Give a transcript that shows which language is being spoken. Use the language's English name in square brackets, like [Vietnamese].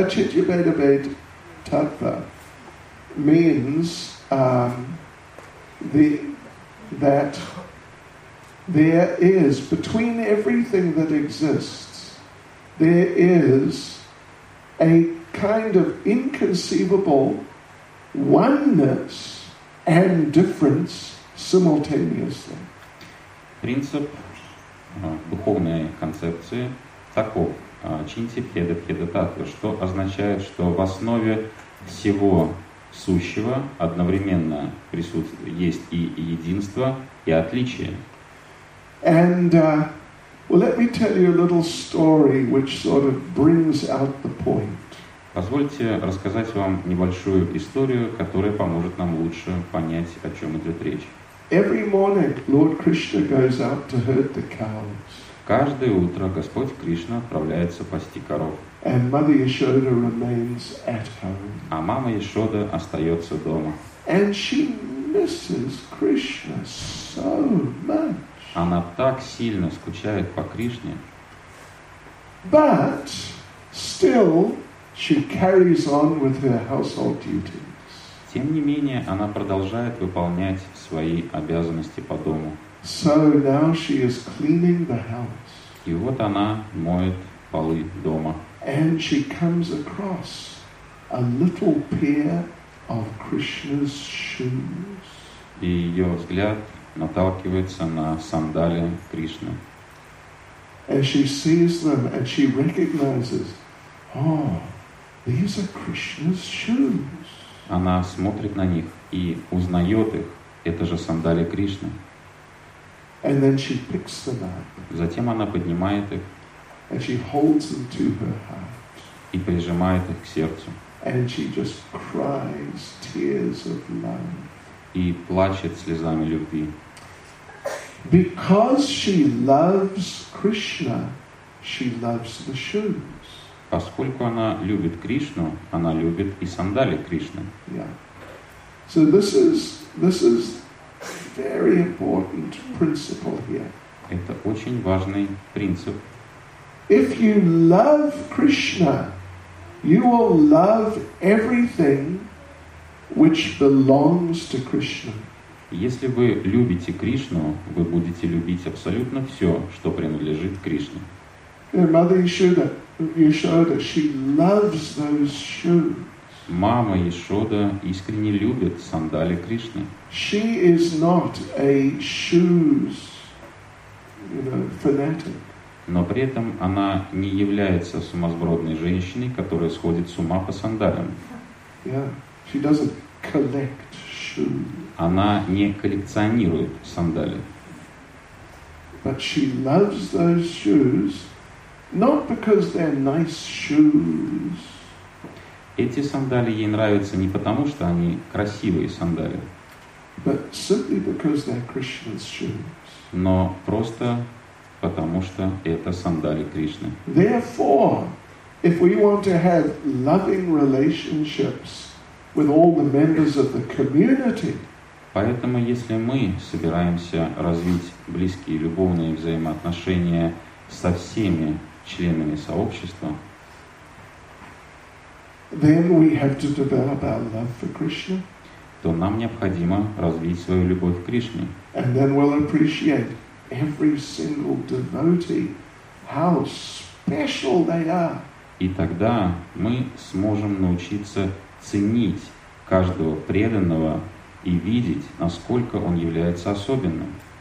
[English] Ачинтья бейд абейд татва means that there is, between everything that exists, there is a kind of inconceivable oneness and difference simultaneously. [Russian] Принцип духовной концепции таков: чинти пхеда пхеда татва, что означает, что в основе всего сущего одновременно присутствует, есть и единство, и отличие. [English] And well, let me tell you a little story which sort of brings out the point. [Russian] Позвольте рассказать вам небольшую историю, которая поможет нам лучше понять, о чем идет речь. [English] Every morning Lord Krishna goes out to herd the cows. [Russian] Каждое утро Господь Кришна отправляется пасти коров. [English] And Mother Yashoda remains at home. [Russian] А мама Яшода остается дома. [English] And she misses Krishna so much. [Russian] Она так сильно скучает по Кришне. [English] But still she carries on with her household duties. [Russian] Тем не менее, она продолжает выполнять свои обязанности по дому. [English] So now she is cleaning the house. [Russian] И вот она моет полы дома. [English] And she comes across a little pair of Krishna's shoes. [Russian] И ее взгляд наталкивается на сандалии Кришны. [English] And she sees them and she recognizes, oh, these are Krishna's shoes. [Russian] Она смотрит на них и узнает их. Это же сандалии Кришны. [English] And then she picks them up. [Russian] Затем она поднимает их. [English] And she holds them to her heart. [Russian] И прижимает их к сердцу. [English] And she just cries tears of love. [Russian] И плачет слезами любви. [English] Because she loves Krishna, she loves the shoes. [Russian] Поскольку она любит Кришну, она любит и сандалии Кришны. [English] Yeah. So this is very important principle here. [Russian] Это очень важный принцип. [English] If you love Krishna, you will love everything which belongs to Krishna. [Russian] Если вы любите Кришну, вы будете любить абсолютно все, что принадлежит Кришне. [English] Mother Yashoda, she loves those shoes. [Russian] Мама Яшода искренне любит сандали Кришны. [English] She is not a shoes, fanatic. [Russian] Но при этом она не является сумасбродной женщиной, которая сходит с ума по сандалям. [English] Yeah, she doesn't collect shoes. [Russian] Она не коллекционирует сандали. [English] But she loves those shoes not because they're nice shoes. [Russian] Эти сандали ей нравятся не потому, что они красивые сандали. [English] But simply because they're Krishna's shoes. [Russian] Но просто потому, что это сандали Кришны. [English] Therefore, if we want to have loving relationships with all the members of the community, [Russian] поэтому, если мы собираемся развить близкие любовные взаимоотношения со всеми членами сообщества, [English] then we have to develop our love for Krishna, [Russian] то нам необходимо развить свою любовь к Кришне. [English] And then we'll appreciate every single devotee, how special they are. [Russian] И тогда мы сможем научиться ценить каждого преданного и видеть, насколько он является особенным.